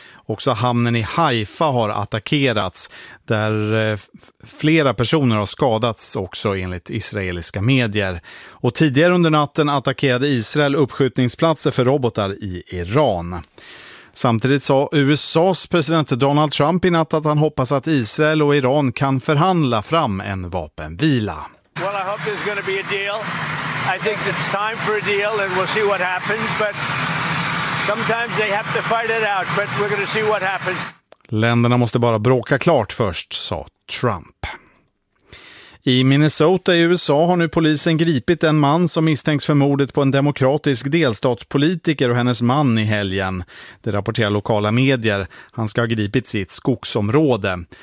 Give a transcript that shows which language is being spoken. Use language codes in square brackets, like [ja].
[sv] Också hamnen i Haifa har attackerats, där flera personer har skadats också enligt israeliska medier. Och tidigare under natten attackerade Israel uppskjutningsplatser för robotar i Iran. Samtidigt sa USA:s president Donald Trump i natt att han hoppas att Israel och Iran kan förhandla fram en vapenvila. [en] Well, I hope there's going to be a deal. I think it's time for a deal and we'll see what happens, but sometimes they have to fight it out, but we're going to see what happens. [sv] Länderna måste bara bråka klart först, sa Trump. I Minnesota i USA har nu polisen gripit en man som misstänks för mordet på en demokratisk delstatspolitiker och hennes man i helgen. Det rapporterar lokala medier. Han ska ha gripit sitt skogsområde.